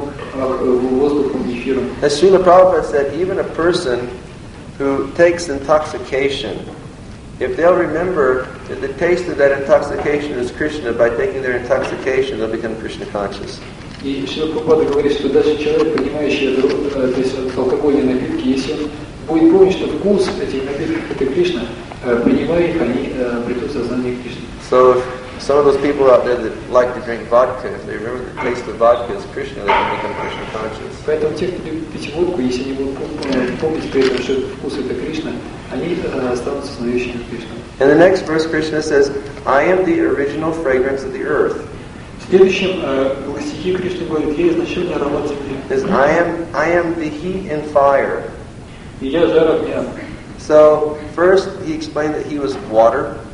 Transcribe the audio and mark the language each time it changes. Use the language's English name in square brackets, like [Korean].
[English] As Srila Prabhupada said, even a person who takes intoxication, if they'll remember that the taste of that intoxication is Krishna, by taking their intoxication, they'll become Krishna conscious. [Russian] И Шрила Прабхупада говорит, что даже человек, понимающий алкогольные напитки, если он будет помнить, что вкус этих напитков – это Кришна, принимая их, они придут в сознание Кришны. [English] So if some of those people out there that like to drink vodka, if they remember the taste of vodka is Krishna, they can become Krishna conscious. [Russian] Поэтому те, кто любит пить водку, если они будут помнить при этом, что вкус – это Кришна, они останутся сознающими Кришна. [English] In the next verse, Krishna says, I am the original fragrance of the earth. [Russian] В следующем стихе Кришна говорит, я изначальный аромат земли. [English] I am the heat and fire. [Russian] И я жар огня. [English] So first he explained that he was water.